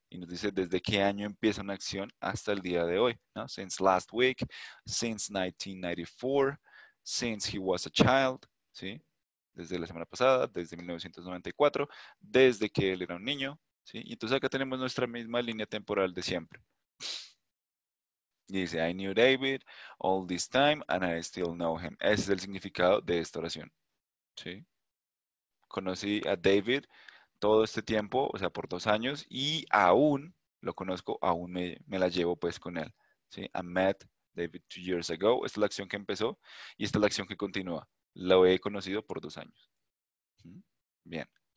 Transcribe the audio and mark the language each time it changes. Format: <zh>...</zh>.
<es>Y nos dice desde qué año empieza una acción hasta el día de hoy, ¿no?</es> <en>Since last week, since 1994, since he was a child, ¿sí?</en> <es>Desde la semana pasada, desde 1994, desde que él era un niño, ¿sí? Y entonces acá tenemos nuestra misma línea temporal de siempre. Y dice,</es> <en>I knew David all this time and I still know him.</en> <es>Ese es el significado de esta oración. ¿Sí? Conocí a David todo este tiempo, o sea, por 2 años, y aún lo conozco, aún me la llevo pues con él. ¿Sí?</es> <en>I met David 2 years ago.</en> <es>Esta es la acción que empezó y esta es la acción que continúa. Lo he conocido por 2 años. Bien.</es>